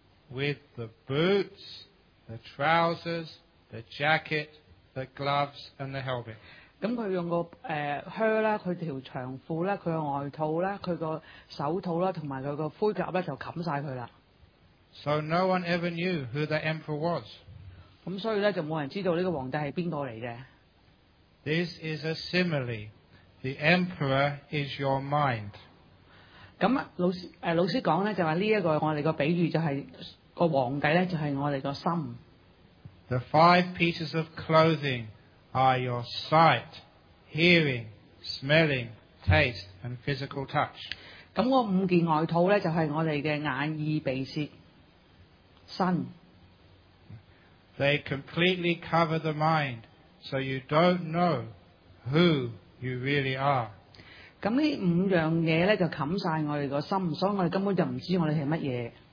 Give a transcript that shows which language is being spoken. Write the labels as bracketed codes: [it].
[en] With the boots, the trousers. The jacket, the gloves, and the helmet. [yue] 咁佢用個靴啦，佢條長褲啦，佢個外套啦，佢個手套啦，同埋佢個盔甲咧，就冚曬佢啦。 [en] So no one ever knew who the emperor was. [yue] 咁所以咧，就冇人知道呢個皇帝係邊個嚟嘅。 [en] This is a simile. The emperor is your mind. [yue] 咁老師講咧，就話呢一個我哋個比喻就係個皇帝咧，就係我哋個心。 [en] The five pieces of clothing are your sight, hearing, smelling, taste, and physical touch. [yue] 咁我五件外套咧，就係我哋嘅眼、耳、鼻、舌、身。 [en] They completely cover the mind, so you don't know who you really are. [yue] 咁呢五樣嘢咧，就冚曬我哋個心，所以我哋根本就唔知我哋係乜嘢。